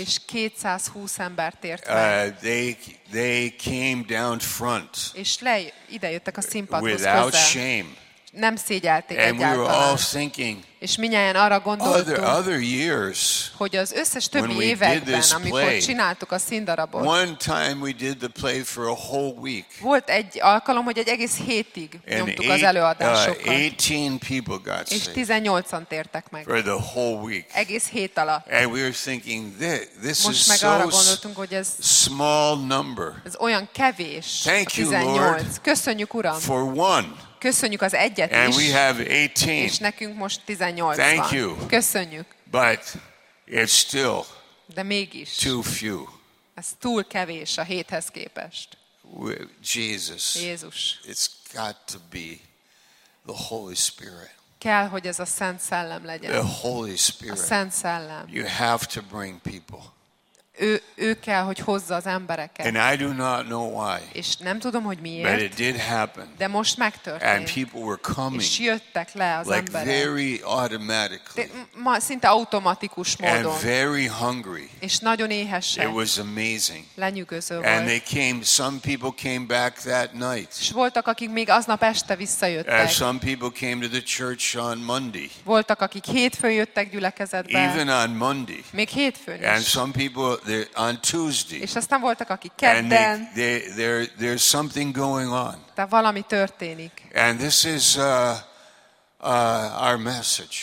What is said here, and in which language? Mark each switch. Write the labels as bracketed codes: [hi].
[hu] És 220 ember tért meg. [en] They came down front. [hu] És le ide jöttek a színpadhoz. [en] Without shame. [hu] Nem szégyelték egyáltalán. [en] And we were all thinking. [hu] És minnyáján arra gondoltunk, [en] other years, [hu] hogy az összes többi években, amikor [en] play, [hu] csináltuk a színdarabot, [en] one time we did the play for a whole week. [hu] Volt egy alkalom, hogy egy egész hétig nyomtuk az előadásokat. [en] 18 people got [hu] és 18-an tértek meg. [en] For the whole week. [hu] Egész hét alatt. [en] And we were thinking, this most is [hu] meg arra gondoltunk, hogy ez [en] small number. [hu] Ez olyan kevés. [en] Thank 18. You, Lord, [hu] köszönjük, Uram. [en] For one. [hu] Köszönjük az egyet is. [en] And we have 18. [hu] És nekünk most 18 [en] thank [hu] van. [en] You. [hu] Köszönjük. [en] But it's still [hu] de mégis [en] too few. [hu] Ez túl kevés a héthez képest. [en] Jesus. [hu] Jézus. [en] It's got to be the Holy Spirit. [hu] Kell, hogy ez a Szent Szellem legyen. [en] The Holy Spirit. [hu] A Szent Szellem. [en] You have to bring people. [hu] Ő kell, hogy hozza az embereket. [en] And I do not know why. [hu] És nem tudom, hogy miért. [en] But it did happen. [hu] De most megtörtént. [en] And people were coming. [hu] És jöttek le az [en] like [hu] emberek. [en] Very automatically. [hu] Szinte automatikus módon. [en] And very hungry. [hu] És nagyon éhesek. [en] It was amazing. [hu] Lenyűgöző volt. [en] And they came, some people came back that night. [hu] És voltak, akik még aznap este visszajöttek. [en] And some people came to the church on Monday. [hu] Voltak, akik hétfőn jöttek gyülekezetbe. [en] Even on Monday. [hu] Még hétfőn is. [en] And some people on Tuesday. [hu] És aztán voltak, akik kedden. [en] And there's something going on. [hu] De valami történik. [en] And this is our message.